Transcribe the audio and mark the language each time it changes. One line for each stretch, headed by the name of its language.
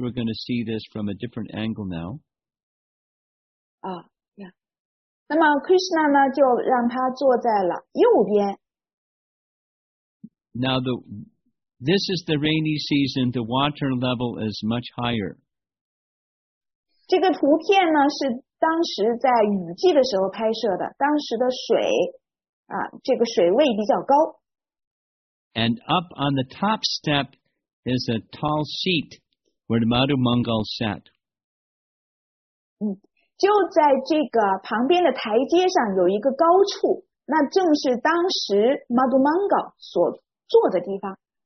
English: We're going to see this from a different angle now.
Chinese: 那么 Krishna 呢就让他坐在了右边。
English: Now this is the rainy season, the water level is much higher.
Chinese: 这个图片呢是当时在雨季的时候拍摄的，当时的水这个水位比较高。
English: And up on the top step is a tall seat where the Madhu Mangal sat.
Chinese: 就在这个旁边的台阶上有一个高处，那正是当时 Madhu Mangal 所坐的地方。